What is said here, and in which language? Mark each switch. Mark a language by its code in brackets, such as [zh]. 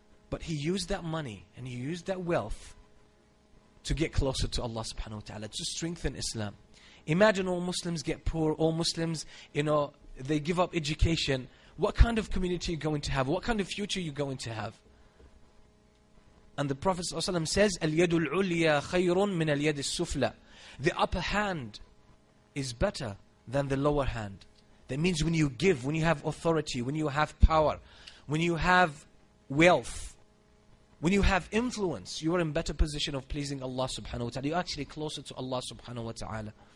[en] But he used that money and he used that wealth to get closer to Allah subhanahu wa ta'ala, to strengthen Islam. Imagine all Muslims get poor, all Muslims, you know, they give up education. What kind of community are you going to have? What kind of future are you going to have? And the Prophet ﷺ says, [ar] الْيَدُ الْعُلْيَا خَيْرٌ مِنَ الْيَدِ السُّفْلَى. [en] The upper hand is better than the lower hand. That means when you give, when you have authority, when you have power, when you have wealth, when you have influence, you are in better position of pleasing Allah subhanahu wa ta'ala. You're actually closer to Allah subhanahu wa ta'ala.